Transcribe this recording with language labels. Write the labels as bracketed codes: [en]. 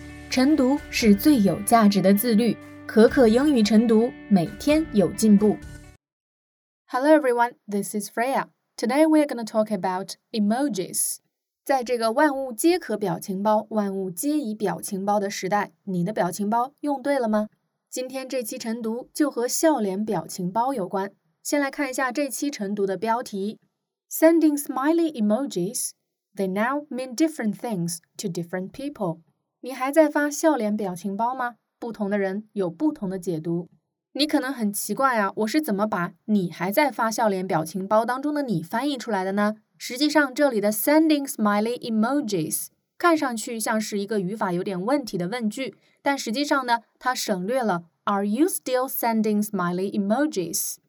[zh] 晨读是最有价值的自律。可可英语晨读，每天有进步。 [en] Hello everyone, this is Freya. Today we are going to talk about emojis. [zh] 在这个万物皆可表情包、万物皆以表情包的时代，你的表情包用对了吗？今天这期晨读就和笑脸表情包有关。先来看一下这期晨读的标题 [en] Sending smiley emojis, they now mean different things to different people. [zh] 你还在发笑脸表情包吗？不同的人有不同的解读。你可能很奇怪啊，我是怎么把你还在发笑脸表情包当中的你翻译出来的呢？实际上这里的 [en] sending smiley emojis [zh] 看上去像是一个语法有点问题的问句，但实际上呢，它省略了 [en] Are you still sending smiley emojis?